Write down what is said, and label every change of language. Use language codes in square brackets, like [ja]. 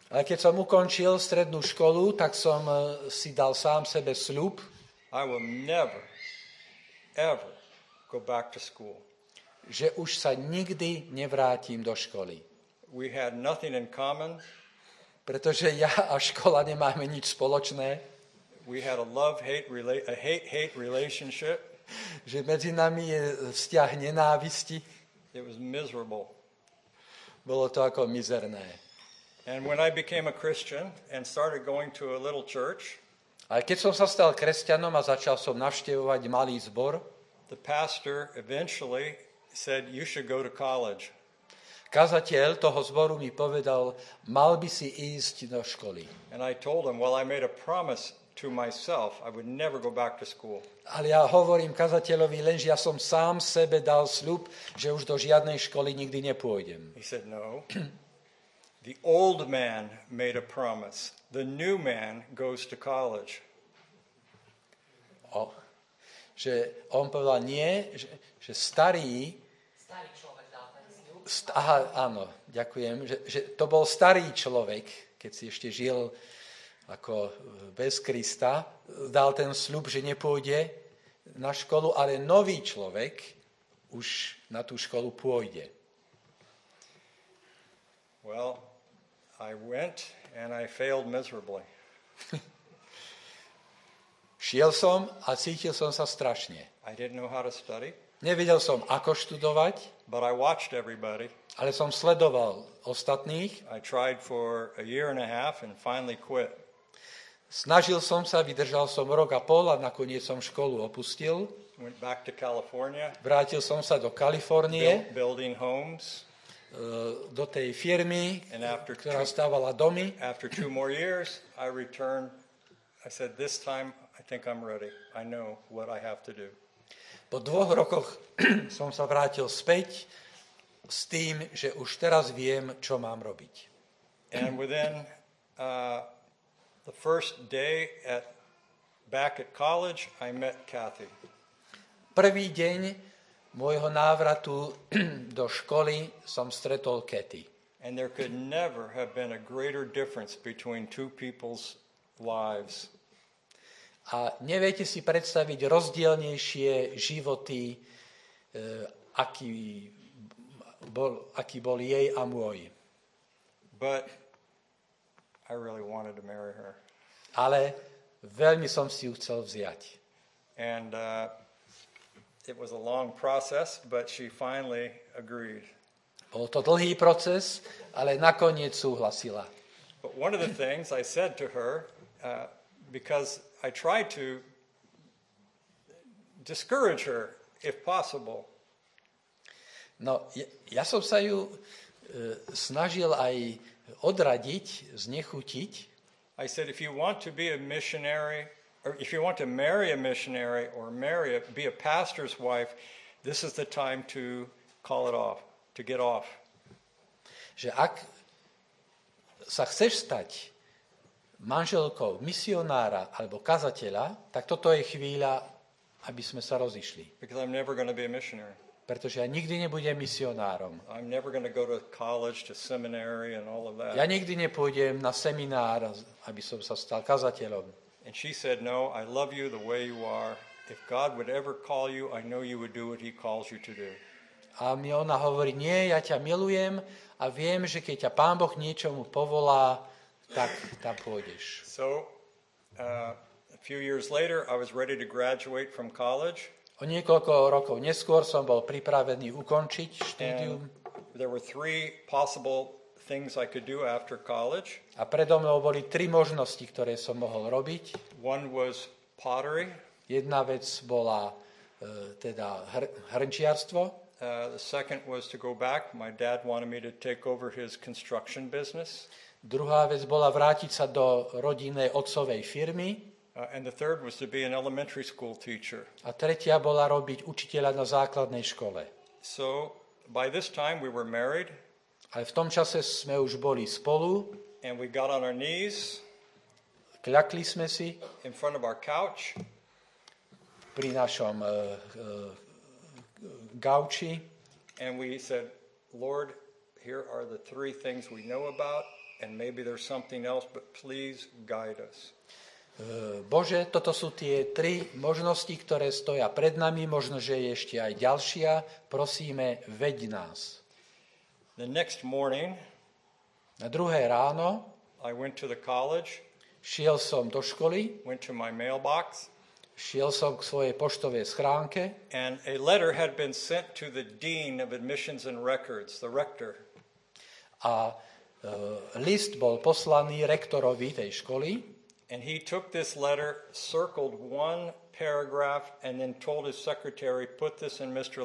[sk] A keď som ukončil strednú školu, tak som si dal sám sebe sľub. [en] I will never, ever go back to school. [sk] Že už sa nikdy nevrátim do školy. [en] We had nothing in common. [sk] Pretože ja a škola nemáme nič spoločné. [en] We had a love-hate a hate-hate relationship. [sk] Že medzi nami je vzťah nenávisti. [en] It was miserable. [sk] Bolo to ako mizerné. [en] And when I became a Christian and started going to a little church, [sk] a keď som sa stal kresťanom a začal som navštevovať malý zbor, [en] the pastor eventually said you should go to college. [sk] Kazateľ toho zboru mi povedal, mal by si ísť do školy. [en] And I told him, well, I made a promise to myself, I would never go back to school. [sk] Ale ja hovorím kazateľovi, lenže ja som sám sebe dal sľub, že už do žiadnej školy nikdy nepôjdem. [en] He said no. The old man made a promise. The new man goes to college. Oh. [sk] Že on povedal nie, že starý starý človek dal ten sľub. Áno, ďakujem, že to bol starý človek, keď si ešte žil ako bez Krista, dal ten sľub, že nepôjde na školu, ale nový človek už na tú školu pôjde. [en] Well, I went and I failed miserably. [sk] Šiel som a cítil som sa strašne. [en] I didn't know how to study. [sk] Nevedel som, ako študovať. [en] But I watched everybody. [sk] Ale som sledoval ostatných. [en] I tried for a year and a half and finally quit. [sk] Snažil som sa, vydržal som rok a pol a nakoniec som školu opustil. [en] Went back to California. [sk] Vrátil som sa do Kalifornie. [en] Building homes. [sk] Do tej firmy, ktorá stávala domy. [en] After two more years, I returned. I said, this time I think I'm ready. I know what I have to do. [sk] Po dvoch rokoch som sa vrátil späť s tým, že už teraz viem, čo mám robiť. [en] And within the first day at back at college, I met Kathy. [sk] Prvý deň môjho návratu do školy som stretol Kathy. [en] And there could never have been a greater difference between two people's lives. [sk] A neviete si predstaviť rozdielnejšie životy, aký bol jej a môj. [en] But I really wanted to marry her. [sk] Ale veľmi som si ju chcel vziať. [en] And it was a long process, but she finally agreed. [sk] Bol to dlhý proces, ale nakoniec súhlasila. [en] But one of the things I said to her, because I tried to discourage her if possible. [sk] No, ja som sa ju snažil aj odradiť, znechutiť. [en] I said if you want to be a missionary or if you want to marry a missionary or marry a, be a pastor's wife, this is the time to call it off, to get off. [sk] Že ak sa chceš stať manželkou misionára alebo kazateľa, tak toto je chvíľa, aby sme sa rozišli. [en] Because I'm never going to be a missionary. [sk] Pretože ja nikdy nebudem misionárom. [en] I'm never going to go to college, to seminary and all of that. [sk] Ja nikdy nepôjdem na seminár, aby som sa stal kazateľom. [en] And she said, "No, I love you the way you are. If God would ever call you, I know you would do what he calls you to do." [sk] A mi ona hovorí, nie, ja ťa milujem a viem, že keď ťa Pán Boh niečomu povolá, tak tam pôjdeš. [en] So, a few years later, I was ready to graduate from college. [sk] O niekoľko rokov neskôr som bol pripravený ukončiť štúdium. [en] There were three possible things I could do after college. [sk] A predo mnou boli tri možnosti, ktoré som mohol robiť. [en] One was pottery. [sk] Jedna vec bola teda hrnčiarstvo. [en] The second was to go back. My dad wanted me to take over his construction business. [sk] Druhá vec bola vrátiť sa do rodinnej otcovej firmy. [en] And the third was to be an elementary school teacher. [sk] A tretia bola robiť učiteľa na základnej škole. [en] So by this time we were married. [sk] Ale v tom čase sme už boli spolu. [en] And we got on our knees. [sk] Kľakli sme si. [en] In front of our couch. [sk] Pri našom gauči. [en] And we said, "Lord, here are the three things we know about, and maybe there's something else, but please guide us." [sk] Bože, toto sú tie tri možnosti, ktoré stoja pred nami, možno, že je ešte aj ďalšia. Prosíme, veď nás. [en] The next morning, [sk] na druhé ráno, [en] I went to the college, [sk] šiel som do školy, [en] went to my mailbox, [sk] šiel som k svojej poštovej schránke, [en] and a letter had been sent to the dean of admissions and records, the rector. [sk] A list bol poslaný rektorovi tej školy. [en] And he took this letter, circled one paragraph, and then told his secretary, "Put this in Mr.